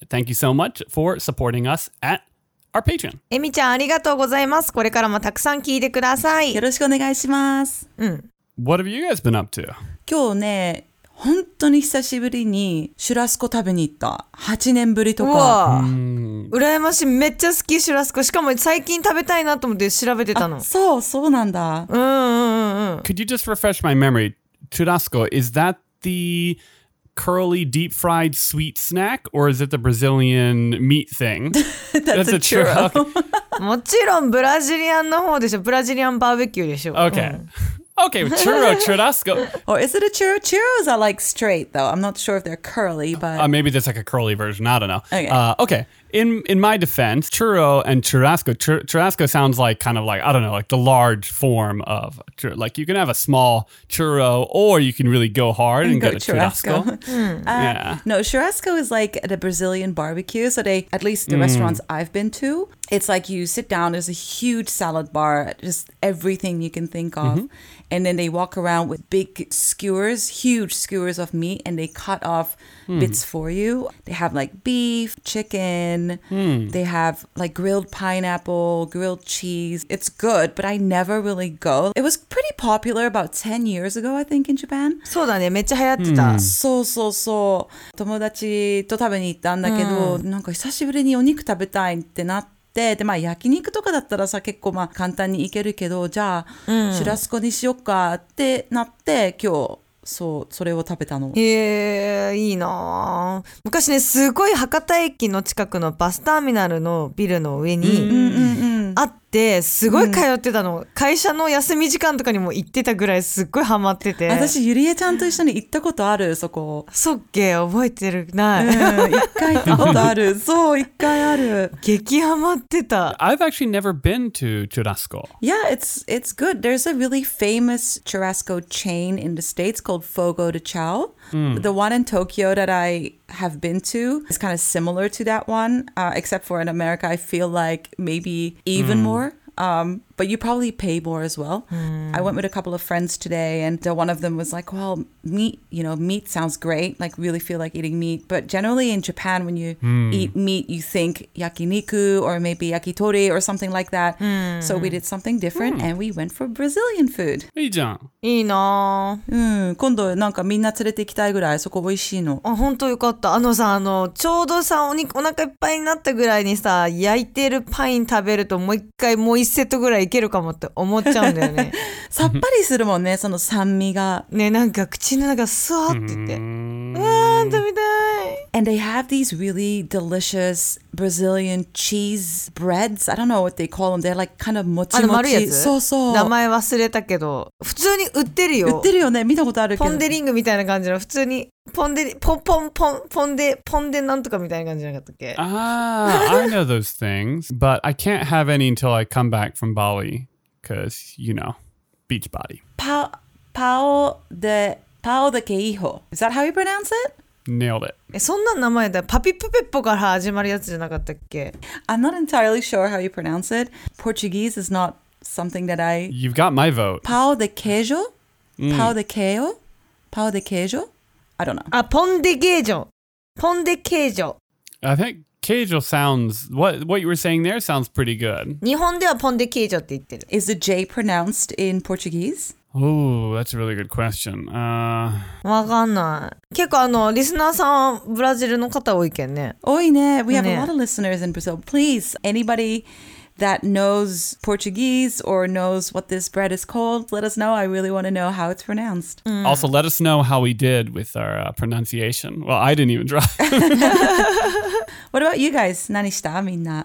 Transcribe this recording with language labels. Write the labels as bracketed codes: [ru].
[en] Thank you so much for supporting us at our Patreon. [ja] Emi-chan, ありがとうございます。これからもたくさん聞いてください。よろしくお願いします。うん。 [en] What have you guys been up to? [ja] 今日ね、本当に久しぶりにシュラスコ食べに行った。 8年ぶりとか。うらやましい。めっちゃ好きシュラスコ。しかも最近食べたいなと思って調べてたの。あ、そう、そうなんだ。 [en] Could you just refresh my memory? Churrasco, is that the curly deep fried sweet snack or is it the Brazilian meat thing? That's a churro. [ja] もちろんブラジリアンの方でしょ。ブラジリアンバーベキューでしょ。 [en] Okay.、うんOkay, churro, churrasco. Or is it a churro? Churros are like straight, though. I'm not sure if they're curly, but... Maybe there's like a curly version. I don't know. Okay. Okay. In my defense, churro and churrasco, churrasco sounds like kind of like, I don't know, like the large form of churro. Like you can have a small churro or you can really go hard and get a churrasco. No, churrasco is like the Brazilian barbecue. So they, at least the restaurants I've been to, it's like you sit down, there's a huge salad bar, just everything you can think of. Mm-hmm. And then they walk around with big skewers, huge skewers of meat, and they cut off bits for you. They have like beef, chicken. They have like grilled pineapple, grilled cheese. It's good, but I never really go. It was pretty popular about 10 years ago, I think, in Japan. [ja] そうだね、めっちゃ流行ってた。そうそうそう。友達と食べに行ったんだけど、なんか久しぶりにお肉食べたいってなって、でまあ焼肉とかだったらさ結構まあ簡単にいけるけどじゃあ、シュラスコにしよっかってなって今日そうそれを食べたのいいな昔ねすごい博多駅の近くのバスターミナルのビルの上にあってすごい通ってたの、会社の休み時間とかにも行ってたぐらいすっごいハマってて私ゆりえちゃんと一緒に行ったことあるそこそっけ覚えてるない一回行ったことあるそう一回ある激ハマってた [en] I've actually never been to Churrasco Yeah, it's good There's a really famous Churrasco chain in the States called Fogo de Chao The one in Tokyo that I have been to is kind of similar to that one except for in America I feel like maybe evenmore but you probably pay more as well I went with a couple of friends today and one of them was like well meat you know meat sounds great like really feel like eating meat but generally in Japan when you eat meat you think yakiniku or maybe yakitori or something like that so we did something different and we went for Brazilian food [ja] いいじゃんいいな今度なんかみんな連れて行きたいぐらいそこ美味しいのあ本当よかったさちょうどさ お腹いっぱいになったぐらいにさ焼いてるパイン食べるともう一回もう一セットぐらいいけるかもって思っちゃうんだよねさっぱりするもんねその酸味がねなんか口の中スワッてってうわー食べたい [en] And they have these really delicious Brazilian cheese breads. I don't know what they call them. They're like kind of mochi mochi. [ja] そうそう。名前忘れたけど、普通に売ってるよ。売ってるよね。見たことあるけど。ポンデリングみたいな感じの、普通にポンデリ、ポンポンポン、ポンデ、ポンデなんとかみたいな感じじゃなかったっけ？ [en] Ah, I know those things, but I can't have any until I come back from Bali, because, you know, beach body. [pt] Pao de Queijo. [en] Is that how you pronounce it? Nailed it. [ja] そんな名前だ。パピプペッポから始まるやつじゃなかったっけ? [en] I'm not entirely sure how you pronounce it. Portuguese is not something that I... You've got my vote. [pt] Pão de queijo? Mm. Pão de queijo? Pão de queijo? [en] I don't know. [pt] Ah, pão de queijo. Pão de queijo. [en] I think queijo sounds... What you were saying there sounds pretty good. [ja] 日本ではポンデケージョって言ってる。 [en] Is the J pronounced in Portuguese? Oh, that's a really good question. [ja] わかんない。結構あの、リスナーさんはブラジルの方多いけんね。多いね。 [en] We have a lot of listeners in Brazil. Please, anybody that knows Portuguese or knows what this bread is called, let us know. I really want to know how it's pronounced. Also, let us know how we did with our pronunciation. Well, I didn't even try. What about you guys? [ja] 何した?みんな。